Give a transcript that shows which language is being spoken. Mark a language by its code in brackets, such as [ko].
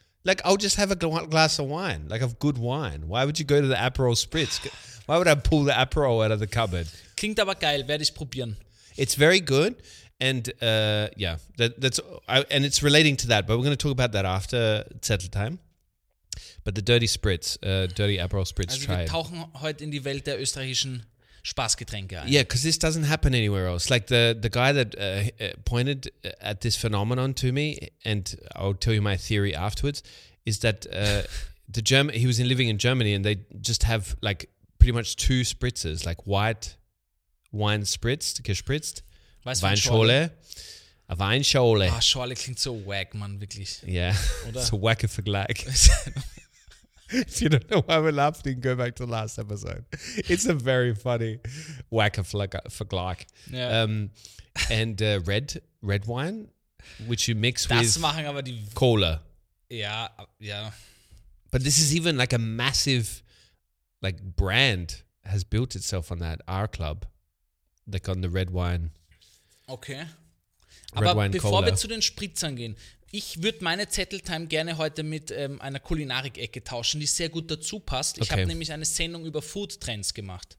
[en] Like, I'll just have a glass of wine, like of good wine. Why would you go to the Aperol spritz? Why would I pull the Aperol out of the cupboard? [de] Klingt aber geil, werde ich probieren. [en] It's very good. And and it's relating to that, but we're going to talk about that after Zettel time. But the dirty spritz, dirty Aperol spritz. [de] Also wir tauchen heute in die Welt der österreichischen Spaßgetränke ein. [en] Yeah, because this doesn't happen anywhere else. Like the guy that pointed at this phenomenon to me, and I'll tell you my theory afterwards, is that he was living in Germany, and they just have like pretty much two spritzes, like white wine spritzed, gespritzt. [de] Weißt Weinschorle. [en] A Weinschorle. [de] Ah, Schorle klingt so wack, man, wirklich. [en] Yeah, oder? It's a wacky Vergleich. If you don't know why we're laughing, go back to the last episode. It's a very funny wacky Vergleich. Yeah. And red wine, which you mix [de] das [en] with [de] machen aber die [en] Cola. Yeah. But this is even like a massive like brand has built itself on that, R Club, like on the red wine. Okay. [de] Aber bevor wir zu den Spritzern gehen, ich würde meine Zetteltime gerne heute mit einer Kulinarik-Ecke tauschen, die sehr gut dazu passt. Ich habe nämlich eine Sendung über Food-Trends gemacht.